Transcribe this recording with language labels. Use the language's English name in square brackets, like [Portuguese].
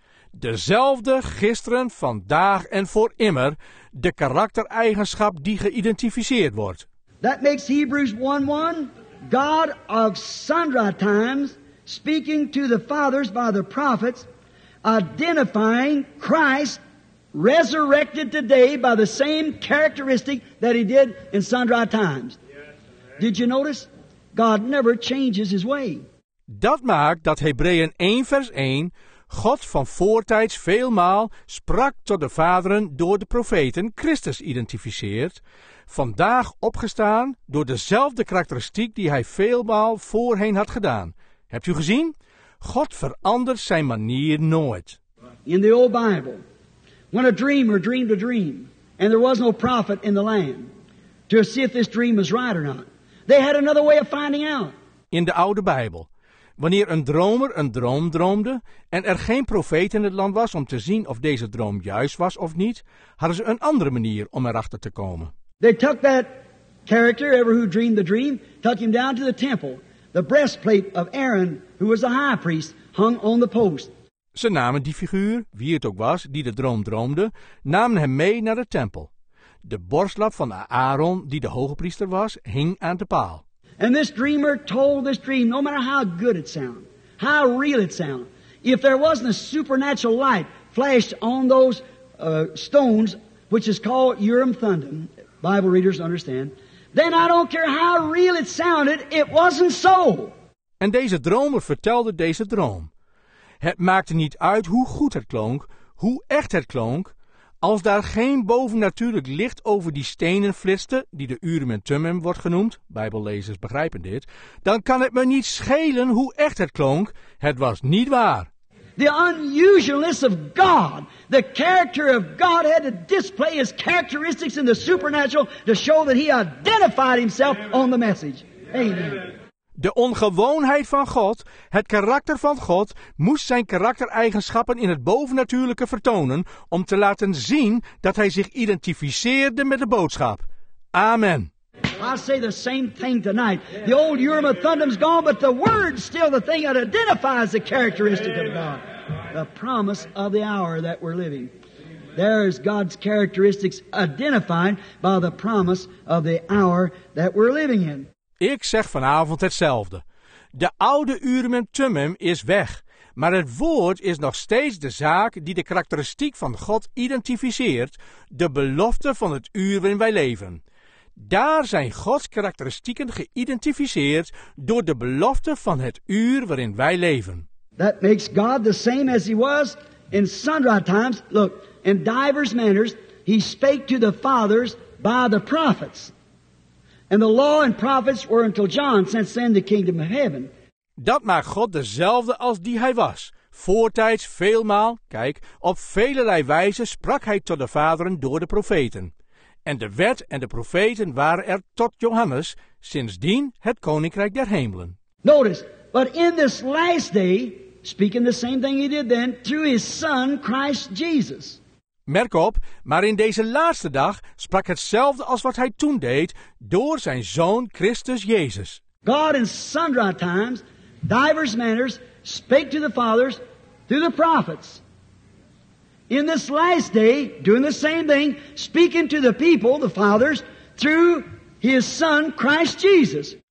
[Dutch] Dezelfde gisteren, vandaag en voor immer, de karaktereigenschap die geïdentificeerd wordt. [English] That makes Hebrews 1:1, God of sundry times, speaking to the fathers by the prophets, identifying Christ, resurrected today by the same characteristic that he did in sundry times. Did you notice? God never changes his way. [Dutch] Dat maakt dat Hebreeën 1 vers 1, God van voortijds veelmaal sprak tot de vaderen door de profeten Christus identificeert, vandaag opgestaan door dezelfde karakteristiek die hij veelmaal voorheen had gedaan. Hebt u gezien? God verandert zijn manier nooit. [English] In the old Bible, when a dreamer dreamed a dream, and there was no prophet in the land to see if this dream was right or not, they had another way of finding out. [Dutch] In de oude Bijbel, wanneer een dromer een droom droomde en er geen profeet in het land was om te zien of deze droom juist was of niet, hadden ze een andere manier om erachter te komen. [English] They took that character, ever who dreamed the dream, took him down to the temple. The breastplate of Aaron, who was the high priest, hung on the post. [Dutch] Ze namen die figuur, wie het ook was, die de droom droomde, namen hem mee naar de tempel. De borstlap van Aaron, die de hoge priester was, hing aan de paal. [English] And this dreamer told this dream, no matter how good it sound, how real it sound, if there wasn't a supernatural light flashed on those stones, which is called Urim Thummim, Bible readers understand, then I don't care how real it sounded, it wasn't so. [Dutch] En deze dromer vertelde deze droom. Het maakte niet uit hoe goed het klonk, hoe echt het klonk. Als daar geen bovennatuurlijk licht over die stenen flitste, die de Urim en Thummim wordt genoemd, Bijbellezers begrijpen dit, dan kan het me niet schelen hoe echt het klonk. Het was niet waar. [English] The unusualness of God, the character of God had to display his characteristics in the supernatural to show that he identified himself on the message. Amen. [Dutch] De ongewoonheid van God, het karakter van God, moest zijn karaktereigenschappen in het bovennatuurlijke vertonen om te laten zien dat hij zich identificeerde met de boodschap. Amen. [English] I say the same thing tonight. The old Urim and Thummim's gone, but the word's still the thing that identifies the characteristic of God. The promise of the hour that we're living. There is God's characteristics identified by the promise of the hour that we're living in. [Dutch] Ik zeg vanavond hetzelfde. De oude Urim en Thummim is weg, maar het woord is nog steeds de zaak die de karakteristiek van God identificeert, de belofte van het uur waarin wij leven. Daar zijn Gods karakteristieken geïdentificeerd door de belofte van het uur waarin wij leven. [English] That makes God the same as he was in sundry times. Look, in divers manners, he spake to the fathers by the prophets. And the law and prophets were until John, since then the kingdom of heaven. [Dutch] Dat maakt God dezelfde als die hij was. Voortijds veelmaal, kijk, op velerlei wijze sprak hij tot de vaderen door de profeten. En de wet en de profeten waren er tot Johannes, sindsdien het koninkrijk der hemelen. [English] Notice, but in this last day, speaking the same thing he did then, through his son Christ Jesus. [Dutch] Merk op, maar in deze laatste dag sprak hetzelfde als wat hij toen deed door zijn zoon Christus Jezus. [English] God in sundry times, divers manners, spake to the fathers through the prophets. In this last day, doing the same thing, speaking to the people, the fathers, through his son Christ Jesus.